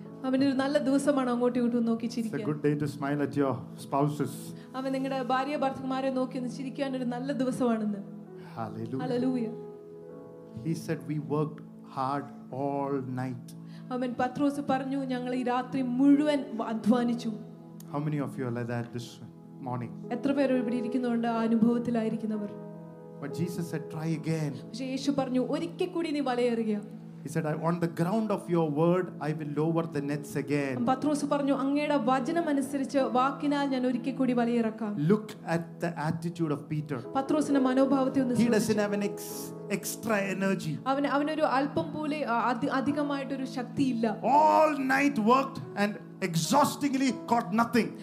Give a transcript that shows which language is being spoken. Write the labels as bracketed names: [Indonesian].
[Malayalam] അവനൊരു നല്ല ദിവസമാണ് അങ്ങോട്ടും ഇങ്ങോട്ടും നോക്കി ചിരിക്കുക [English] It's a good day to smile at your spouses [Malayalam] അവൻ നിങ്ങളുടെ ഭാര്യ ഭർത്താക്കന്മാരെ നോക്കി ഒന്ന് ചിരിക്കാൻ ഒരു നല്ല ദിവസമാണ് hallelujah hallelujah [English] He said we worked hard all night [Malayalam] അവൻ പത്രോസ് പറഞ്ഞു ഞങ്ങൾ ഈ രാത്രി മുഴുവൻ അധ്വാനിച്ചു [English] How many of you are like that this morning [Malayalam] എത്ര പേർ ഇവിടെ ഇരിക്കുന്നുണ്ട് ആ അനുഭവത്തിലായിരിക്കുന്നവർ [English] But Jesus said try again [Malayalam] യേശു പറഞ്ഞു ഒരിക്കൽ കൂടി നീ വലയെറിയുക [English] He said on the ground of your word I will lower the nets again. [Malayalam] പത്രോസ് പറഞ്ഞു അങ്ങയുടെ വചനം അനുസരിച്ച് വാക്കിനാൽ ഞാൻ ഒരിക്കൽ കൂടി വലയിറക്കാം. [English] Look at the attitude of Peter. [Malayalam] പത്രോസിന്റെ മനോഭാവത്തെ ഒന്ന് ശ്രദ്ധിച്ചു. [English] He doesn't have an extra energy. [Malayalam] അവന് ഒരു അല്പം പോലെ അധികമായിട്ട് ഒരു ശക്തി ഇല്ല. [English] All night worked and exhaustingly got nothing.